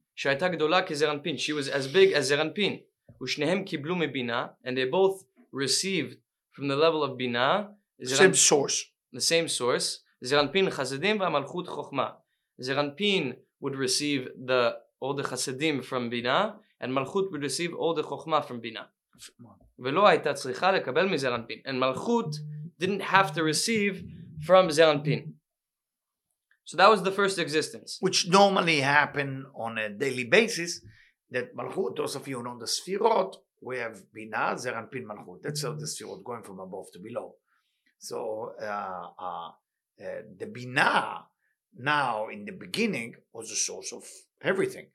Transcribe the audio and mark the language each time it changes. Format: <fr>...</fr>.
<en>She was as big as Zeran Pin.</en> <he>Ushnehem kiblu mebina,</he> <en>and they both received from the level of bina. The same source.</en> <he>Zeran Pin chasidim v'amalchut chokma.</he> <en>Zeran Pin would receive the all the chasidim from bina, and malchut would receive all the chokma from bina.</en> <he>ולא הייתה צריכה לקבל מזרן פין.</he> <en>And Malchut didn't have to receive from Zeran Pin. So that was the first existence. Which normally happened on a daily basis, that Malchut, those of you who know the Sfirot, we have Bina, Zeran Pin, Malchut. That's how the Sfirot going from above to below. So the Bina now in the beginning was the source of everything.</en>